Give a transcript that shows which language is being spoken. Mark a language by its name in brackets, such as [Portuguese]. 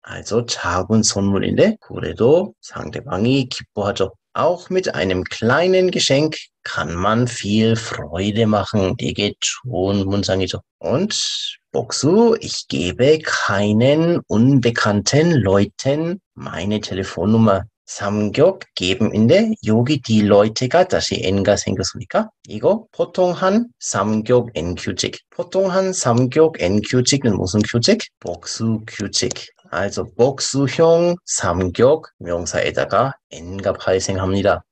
[Korean] Also, 작은 선물인데, 그래도 상대방이 기뻐하죠. [German] Auch mit einem kleinen Geschenk kann man viel Freude machen. [Korean] 되게 좋은 문장이죠. [German] Und, [Korean] 복수, [German] ich gebe keinen unbekannten Leuten meine Telefonnummer. [Korean] 삼격 geben인데, 여기 die Leute가 다시 N가 생겼으니까, 이거 보통한 삼격 N 규칙. 보통한 삼격 N 규칙은 무슨 규칙? 복수 규칙. Also, 복수형 삼격 명사에다가 N가 발생합니다.